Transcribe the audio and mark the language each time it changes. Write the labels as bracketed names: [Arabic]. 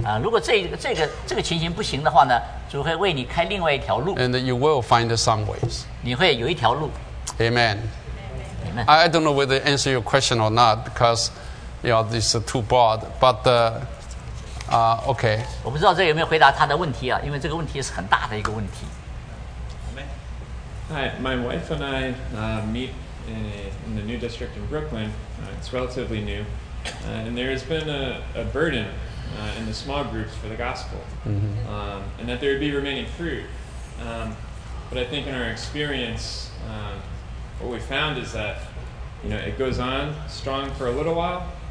[Chinese] 如果这个情形不行的话呢，主会为你开另外一条路。 [English] And you will find some ways. [Chinese] 你会有一条路。 [English] Amen. Amen. I don't know whether to answer your question or not because, you know, this is too broad. But, okay. [Chinese] 我不知道这有没有回答他的问题啊，因为这个问题是很大的一个问题。 [English] Hi, my wife and I meet in the new district in Brooklyn. It's relatively new. And there has been a burden in the small groups for the gospel. Mm-hmm. And that there would be remaining fruit. But I think in our experience, what we found is that, you know, it goes on strong for a little while.